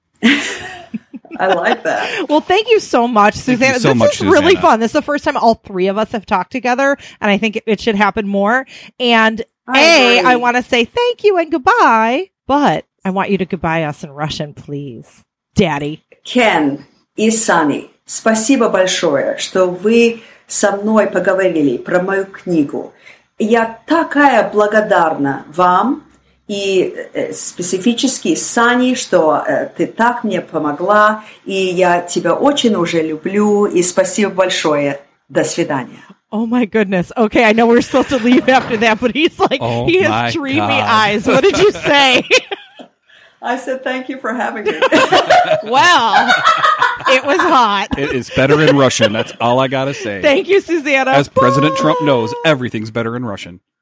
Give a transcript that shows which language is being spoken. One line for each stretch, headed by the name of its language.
English: I like that. Well, thank you so much, Susanna. Thank you so much, Susanna. Really fun. This is the first time all three of us have talked together, and I think it should happen more. And I want to say thank you and goodbye, but I want you to goodbye us in Russian, please. Daddy.
Russian: Ken Исани. Спасибо большое, что вы со мной поговорили про мою книгу. Я такая благодарна вам и специфически Сане, что ты так мне помогла, и я тебя очень уже люблю, и спасибо большое. До свидания.
English: Oh my goodness. Okay, I know we're supposed to leave after that, but he's like, oh, he has dreamy eyes. What did you say? I said, thank you for having me. Well, it was hot. It is better in Russian. That's all I got to say. Thank you, Susanna. As President Trump knows, everything's better in Russian.